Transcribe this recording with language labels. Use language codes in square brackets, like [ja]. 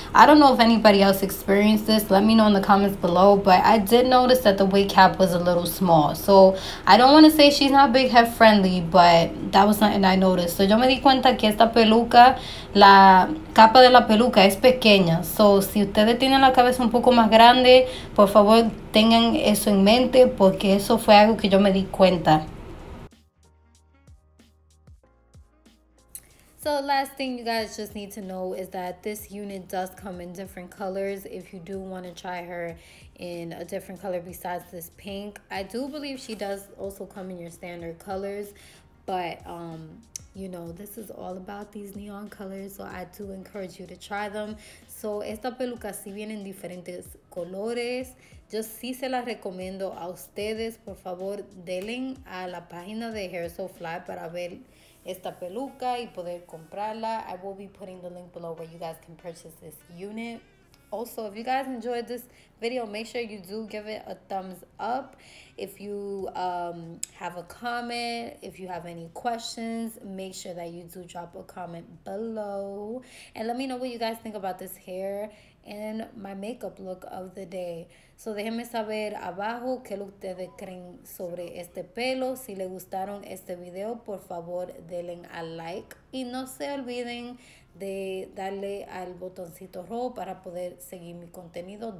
[en] I don't know if anybody else experienced this. Let me know in the comments below. But I did notice that the wig cap was a little small. So I don't want to say she's not big head friendly, but that was something I noticed. So [es] yo me di cuenta que esta peluca, la capa de la peluca es pequeña. So si ustedes tienen la cabeza un poco más grande, por favor tengan eso en mente, porque eso fue algo que yo me di cuenta. [en] So the last thing you guys just need to know is that this unit does come in different colors if you do want to try her in a different color besides this pink. I do believe she does also come in your standard colors, but you know, this is all about these neon colors, so I do encourage you to try them. [es] So esta peluca si viene en diferentes colores, yo sí se la recomiendo a ustedes. Por favor, denle a la página de HairSoFly para ver esta peluca y poder comprarla. [en] I will be putting the link below where you guys can purchase this unit. Also, if you guys enjoyed this video, make sure you do give it a thumbs up. If you have a comment, if you have any questions, make sure that you do drop a comment below. And let me know what you guys think about this hair and my makeup look of the day. [es] So déjenme saber abajo qué lo ustedes creen sobre este pelo. Si les gustaron este video, por favor denle a like. Y no se olviden de darle al botoncito rojo para poder seguir mi contenido.